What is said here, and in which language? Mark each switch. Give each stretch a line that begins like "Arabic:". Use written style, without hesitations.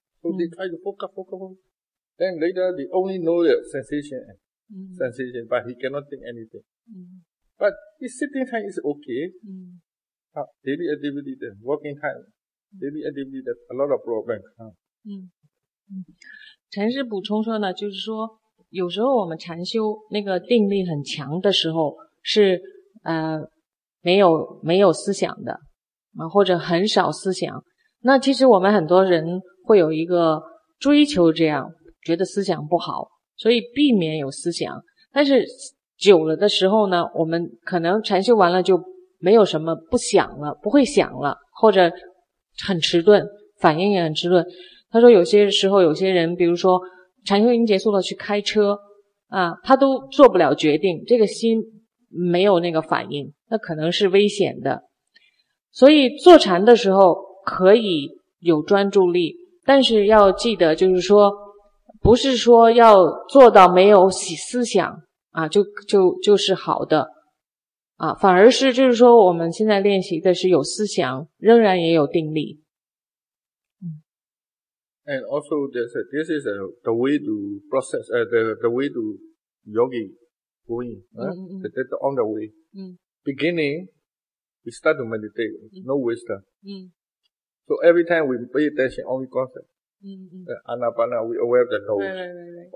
English: So they try to focus. Then later they only know the sensation. Sensation, but he cannot think anything. But his sitting time is okay. Daily activity, then working time, daily activity, that a lot of problems.
Chinese: 禅师补充说呢，就是说有时候我们禅修那个定力很强的时候是没有思想的啊，或者很少思想。那其实我们很多人会有一个追求，这样觉得思想不好，所以避免有思想。但是久了的时候呢，我们可能禅修完了就没有什么不想了，不会想了，或者很迟钝，反应也很迟钝。他说有些时候有些人比如说禅修已经结束了去开车啊，他都做不了决定，这个心没有那个反应，那可能是危险的。所以坐禅的时候可以有专注力，但是要记得就是说不是说要做到没有思想啊，就是好的啊，反而是就是说我们现在练习的是有思想，仍然也有定力。
English: And also this is the way to process the way to yogi going that on the way. Beginning, we start to meditate, no wisdom. So every time we pay attention only concept. Anapana, we aware of the nose.